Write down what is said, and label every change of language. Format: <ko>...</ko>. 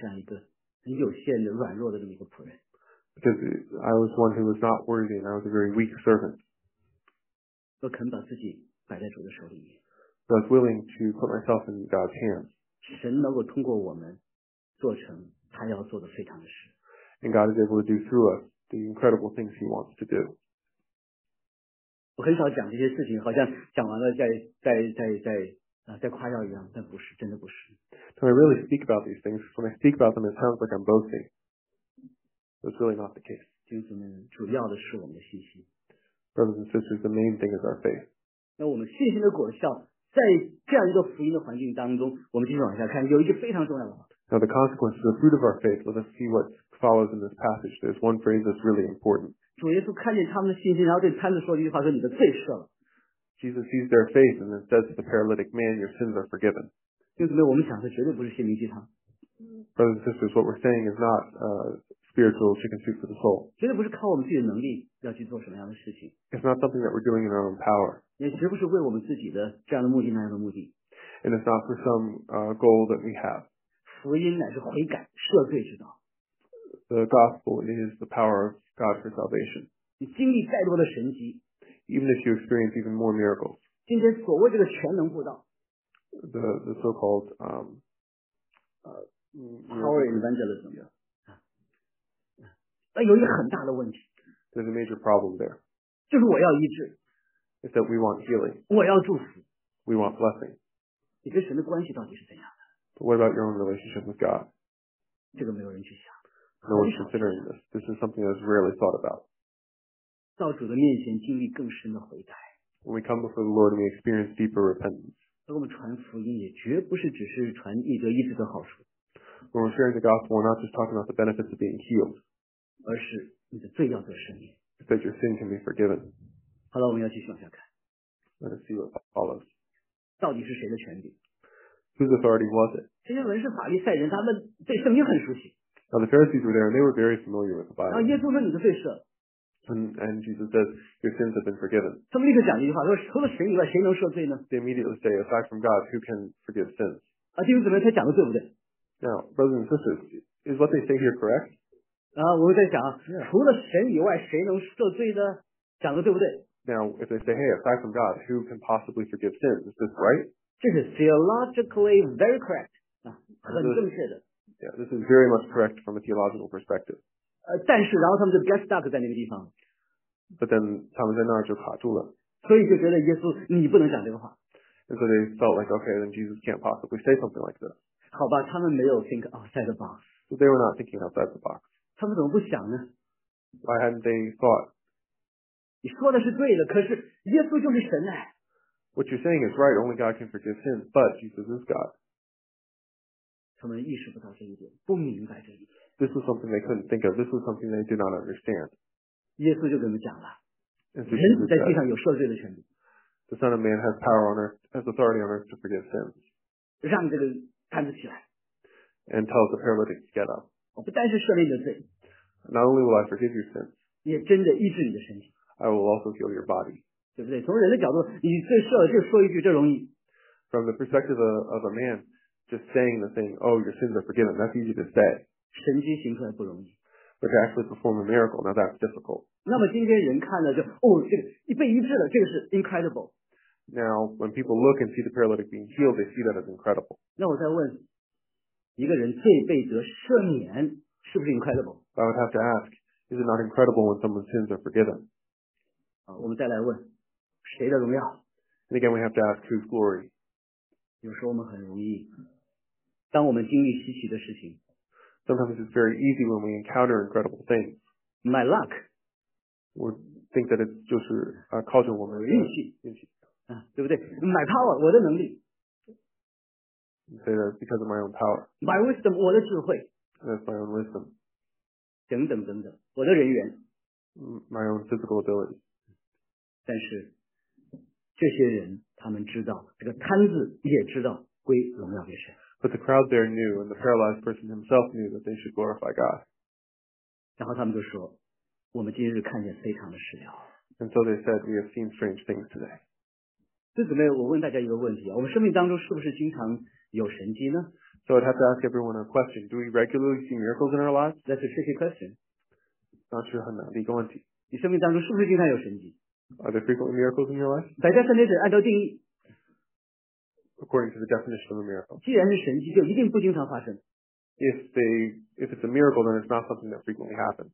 <zh>我知道这样一个很不配的这样一个很有限的软弱的这么一个仆人。</zh> <en>Because I was one who was not worthy and I was a very weak servant.</en> <zh>我肯把自己摆在主的手里面。</zh> <en>So I was willing to put myself in God's hands.</en> <zh>神能够通过我们做成他要做的非常的事。</zh> <en>And God is able to do through us the incredible things he wants to do.</en> <zh>我很少讲这些事情，好像讲完了再夸耀一样，但不是，真的不是。</zh> <en>When I really speak about these things, when I speak about them, it sounds like I'm boasting. That's really not the case.</en> <zh>弟兄姊妹，主要的是我们的信心。</zh> <en>Brothers and sisters, the main thing is our faith.</en> <zh>那我们信心的果效，在这样一个福音的环境当中，我们继续往下看，有一句非常重要的话。</zh> <en>Now the consequences, the fruit of our faith. Let us see what follows in this passage. There's one phrase that's really important.</en> <zh>主耶稣看见他们的信心，然后对摊子说一句话，说你的罪赦了。</zh> <en>Jesus sees their faith and then says to the paralytic man, "Your sins are forgiven."</en> <zh>弟兄姊妹，我们讲的绝对不是心灵鸡汤。</zh> <en>Brothers and sisters, what we're saying is not spiritual chicken soup for the soul.</en> <zh>绝对不是靠我们自己的能力要去做什么样的事情。</zh> <en>It's not something that we're doing in our own power.</en> <zh>也绝不是为我们自己的这样的目的那样的目的。</zh> <en>And it's not for some goal that we have.</en> <zh>福音乃是悔改赦罪之道。</zh> <en>The gospel is the power of God for salvation.</en> <zh>你经历再多的神迹。</zh> <en>Even if you experience even more miracles.</en> <zh>今天所谓这个全能布道。</zh> <en>The so-called power evangelism.</en> <zh>那有一个很大的问题。</zh> <en>There's a major problem there.</en> <zh>就是我要医治。</zh> <en>It's that we want healing.</en> <zh>我要祝福。</zh> <en>We want blessing.</en> <zh>你跟神的关系到底是怎样的？</zh> <en>But what about your own relationship with God?</en> <zh>这个没有人去想。</zh> <en>No one's considering this. This is something that's rarely thought about.</en> <zh>到主的面前经历更深的悔改。</zh> <en>When we come before the Lord, we experience deeper repentance.</en> <zh>给我们传福音也绝不是只是传一个医治的好处。</zh> <en>When we're sharing the gospel, we're not just talking about the benefits of being healed.</en> <zh>而是你的罪要得赦免。</zh> <en>That your sin can be forgiven.</en> <zh>好了，我们要继续往下看。</zh> <en>Let us see what follows.</en> <zh>到底是谁的权柄？</zh> <en>Whose authority was it?</en> <zh>这些文士、法利赛人，他们对圣经很熟悉。</zh> <en>Now the Pharisees were there, and they were very familiar with the Bible.</en> <zh>耶稣说：“你的罪赦。”</zh> <en>And Jesus says, "Your sins have been forgiven."</en> <zh>他们立刻讲了一句话，说除了神以外，谁能赦罪呢？</zh> <en>They immediately say, "Aside from God, who can forgive sins?"</en> <zh>啊，弟兄姊妹，他讲的对不对？</zh> <en>Now, brothers and sisters, is what they say here correct?</en> <zh>啊，我们在想，除了神以外，谁能赦罪呢？讲的对不对？</zh> <en>Now, if they say, "Hey, aside from God, who can possibly forgive sins?" Is this right?</en> <zh>这是</zh> <en>theologically very correct.</en> <zh>啊，很正确的。</zh> <en>Yeah, this is very much correct from a theological perspective.</en> <zh>但是然后他们就</zh> <en>get stuck</en> <zh>在那个地方。</zh> <en>But then</en> <zh>他们在那儿就卡住了。所以就觉得耶稣你不能讲这个话。</zh> <en>And so they felt like, okay, then Jesus can't possibly say something like this.</en> <zh>好吧，他们没有</zh> <en>think outside the box. So they were not thinking outside the box.</en> <zh>他们怎么不想呢？</zh> <en>Why hadn't they thought?</en> <zh>你说的是对的，可是耶稣就是神哎。</zh> <en>What you're saying is right, only God can forgive sins, but Jesus is God.</en> <zh>他们意识不到这一点，不明白这一点。</zh> <en>This was something they couldn't think of. This was something they did not understand.</en> <zh>耶稣就跟他们讲了，人子在地上有赦罪的权利。</zh> <en>The Son of Man has power on earth, has authority on earth to forgive sins.</en> <zh>让这个摊子起来。</zh> <en>And tells the paralytic to get up.</en> <zh>我不单是赦免你的罪。</zh> <en>Not only will I forgive your sins.</en> <zh>也真的医治你的身体。</zh> <en>I will also heal your body.</en> <zh>对不对？从人的角度，你罪赦了，就说一句，这容易。</zh> <en>From the perspective of a man, just saying the thing, "Oh, your sins are forgiven," that's easy to say.</en> <zh>神迹行出来不容易。</zh> <en>But to actually perform a miracle, now that's difficult.</en> <zh>那么今天人看了就，哦，这个一被医治了，这个是</zh> <en>incredible. Now, when people look and see the paralytic being healed, they see that as incredible.</en> <zh>那我再问，一个人罪被得赦免，是不是</zh> <en>incredible? I would have to ask, is it not incredible when someone's sins are forgiven?</en> <zh>啊，我们再来问，谁的荣耀？</zh> <en>And again, we have to ask whose glory.</en> <zh>有时候我们很容易，当我们经历稀奇的事情。</zh> <en>Sometimes it's very easy when we encounter incredible things. My luck. We think that it's</en> <zh>就是靠着我们运气，运气，对不对 ？</zh> <en>My power,</en> <zh>我的能力。</zh> <en>Say that because of my own power. My wisdom,</en> <zh>我的智慧。</zh> <en>That's my own wisdom.</en> <zh>等等等等，我的人缘。</zh> <en>My own physical ability.</en> <zh>但是这些人，他们知道这个摊子也知道归荣耀给神。</zh> <en>But the crowd there knew, and the paralyzed person himself knew that they should glorify God.</en> <zh>然后他们就说，我们今日看见非常的事了。</zh> <en>And so they said, we have seen strange things today.</en> <zh>弟兄姊妹，我问大家一个问题，我们生命当中是不是经常有神迹呢？</zh> <en>So I'd have to ask everyone a question. Do we regularly see miracles in our lives? That's a tricky question.</en> <zh>当时很难的一个问题。你生命当中是不是经常有神迹？</zh> <en>Are there frequently miracles in your life?</en> <zh>百家圣殿是按照定义。</zh> <en>According to the definition of a miracle.</en> <zh>既然是神迹，就一定不经常发生。</zh> <en>if it's a miracle, then it's not something that frequently happens.</en>